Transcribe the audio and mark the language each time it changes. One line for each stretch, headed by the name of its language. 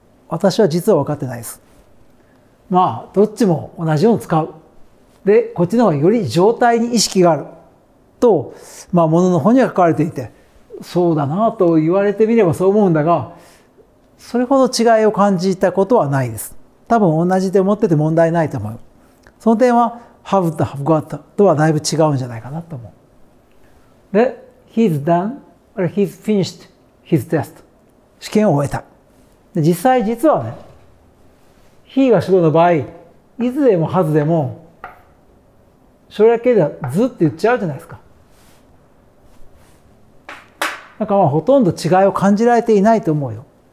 Japanese: 私は実は分かってないです。まあどっちも同じように使う、でこっちの方がより状態に意識があると、まあ物の方には書かれていて、そうだなと言われてみればそう思うんだが、それほど違いを感じたことはないです。多分同じで思ってて問題ないと思う。その点は have と have got とはだいぶ違うんじゃないかなと思う。
English: で、 he's done or he's finished his test、
Japanese: 試験を終えた。で、実際実はね、 he が主語の場合、いつでも has でも省略形ではずって言っちゃうじゃないですか。なんかまあほとんど違いを感じられていないと思うよ。